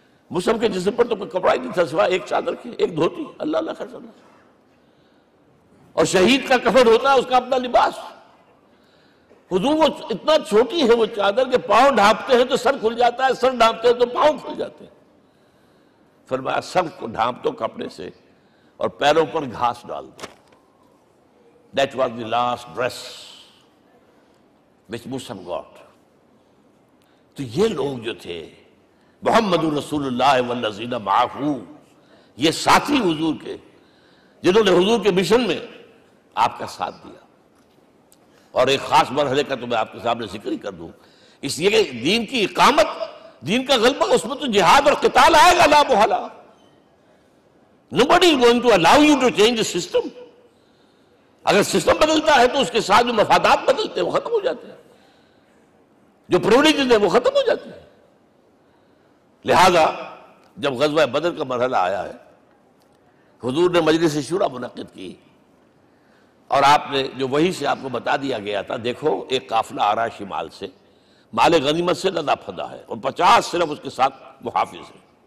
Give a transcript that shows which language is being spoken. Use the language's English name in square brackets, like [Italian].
[Urdu] مصعب کے جسم پر تو کوئی کپڑا ہی نہیں تھا سوا ایک چادر کے, ایک دھوتی, اللہ اللہ خیر اللہ, اور شہید کا کفن ہوتا ہے اس کا اپنا لباس. حضور وہ اتنا چھوٹی ہے وہ چادر کہ پاؤں ڈھانپتے ہیں تو سر کھل جاتا ہے, سر ڈھانپتے ہیں تو پاؤں کھل جاتے ہیں. فرمایا, سر کو ڈھانپ دو کپڑے سے اور پیروں پر گھاس ڈال دو. [English] That was the last dress which Musab got. [Urdu] تو یہ لوگ جو تھے [Arabic] محمد رسول اللہ والذین معہ, [Urdu] یہ ساتھی حضور کے جنہوں نے حضور کے مشن میں آپ کا ساتھ دیا. اور ایک خاص مرحلے کا تو میں آپ کے سامنے ذکر ہی کر دوں, اس لیے کہ دین کی اقامت, دین کا غلبہ, اس میں تو جہاد اور قتال آئے گا لا محالا. [English] Nobody is going to allow you to change the system. [Urdu] اگر سسٹم بدلتا ہے تو اس کے ساتھ جو مفادات بدلتے ہیں وہ ختم ہو جاتے ہیں, جو پرولیجز ہیں وہ ختم ہو جاتے ہیں. لہذا جب غزوہ بدر کا مرحلہ آیا ہے, حضور نے مجلس شورا منعقد کی, اور آپ نے جو وحی سے آپ کو بتا دیا گیا تھا, دیکھو ایک قافلہ آ رہا ہے شمال سے, مال غنیمت سے لدا پھدا ہے, اور 50 صرف اس کے ساتھ محافظ ہیں.